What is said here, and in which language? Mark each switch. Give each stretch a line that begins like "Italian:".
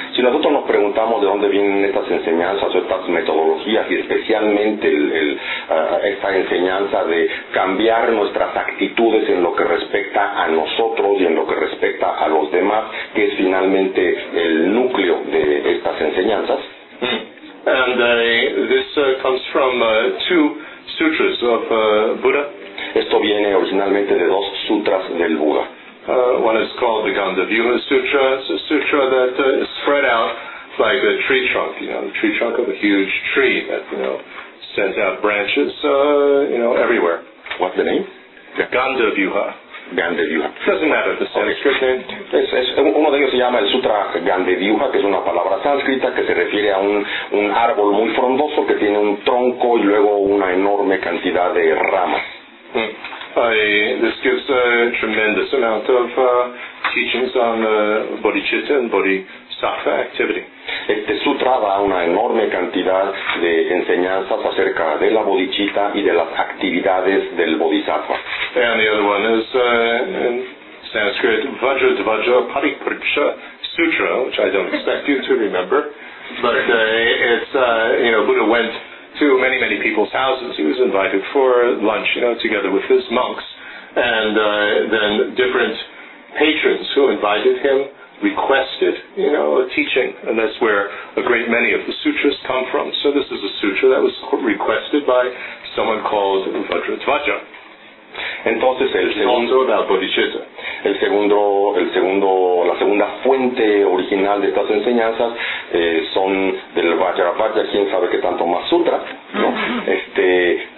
Spanish: si nosotros nos preguntamos de dónde vienen estas enseñanzas o estas metodologías, y especialmente esta enseñanza de cambiar nuestras actitudes en lo que respecta a nosotros y en lo que respecta a los demás, que es finalmente el núcleo de estas enseñanzas.
English: And this comes from two sutras of Buddha.
Spanish: Esto viene originalmente de dos sutras del Buda.
English: One is called the Gandavyuha Sutra. It's a sutra that is spread out like a tree trunk, you know, the tree trunk of a huge tree that, you know, sends out branches, you know, everywhere. What's the name? Yeah. Gandavyuha. Gandavyuha. Doesn't matter the Sanskrit name.
Spanish: Uno de ellos se llama el Sutra Gandavyuha, que es una palabra sánscrita que se refiere a un árbol muy frondoso que tiene un tronco y luego una enorme cantidad de ramas.
English: This gives a tremendous amount of teachings on bodhicitta and bodhisattva activity.
Spanish: Este sutra da una enorme cantidad de enseñanzas acerca de la bodhicitta y de las actividades del bodhisattva.
English: And the other one is in Sanskrit, Vajradvaja Parikparksha Sutra, which I don't expect you to remember. But it's, you know, Buddha went to many, many people's houses. He was invited for lunch, you know, together with his monks. And then different patrons who invited him requested, you know, a teaching. And that's where a great many of the sutras come from. So this is a sutra that was requested by someone called Vajradvaja.
Spanish: Entonces la segunda fuente original de estas enseñanzas son del Vajravaja, quién sabe qué tanto más sutra, ¿no?